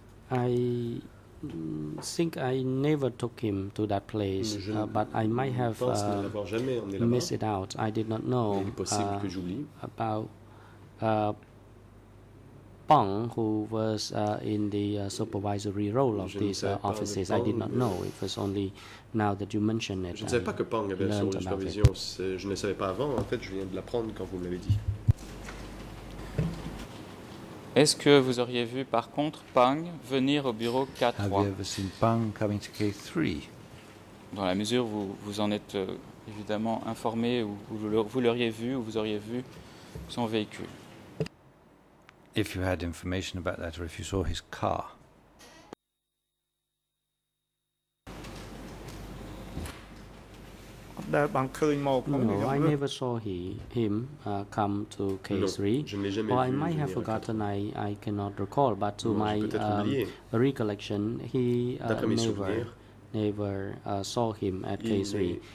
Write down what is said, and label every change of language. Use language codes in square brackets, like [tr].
[en] I think I never took him to that place, but I might have missed it out. I did not know about Peng, who was in the supervisory role of these offices. I did not know. It was only now that you mention it. [fr] Je ne savais pas que Peng avait la supervision. Je ne savais pas avant. En fait, je viens de l'apprendre quand vous me l'avez dit. Est-ce que vous auriez vu, par contre, Peng venir au bureau K3? [en] Have you ever seen Peng coming to K3? [fr] Dans la mesure où vous, vous en êtes évidemment informé, ou vous l'auriez vu, ou vous auriez vu son véhicule. [en] If you had information about that, or if you saw his car. No, I never saw him come to K3. Or I might have forgotten, I cannot recall, but to my recollection, he never saw him at K3.